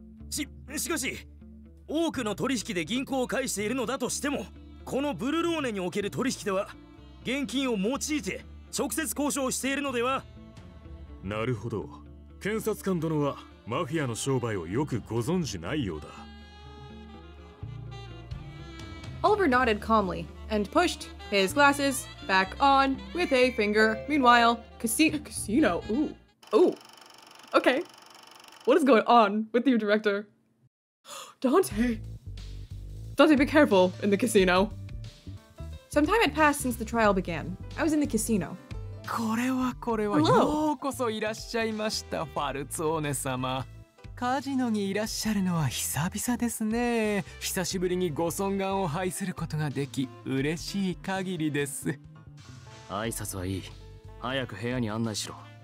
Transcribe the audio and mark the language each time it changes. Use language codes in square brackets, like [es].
[ja] しかし、多くの取引で銀行を介しているのだとしても、このブルローネにおける取引では、現金を用いて直接交渉しているのでは？なるほど。検察官殿はマフィアの商売をよくご存じないようだ。 [en] Oliver nodded calmly and pushed his glasses back on with a finger. Meanwhile, casino. Ooh. Ooh. Okay. What is going on with you, director? Dante. Dante, be careful in the casino. Some time had passed since the trial began. I was in the casino. [ja] これはこれは、 [en] Hello. [ja] ようこそいらっしゃいました、ファルツォーネ様。カジノにいらっしゃるのは久々ですね。久しぶりにご尊顔を拝することができ、嬉しい限りです。挨拶はいい。早く部屋に案内しろ。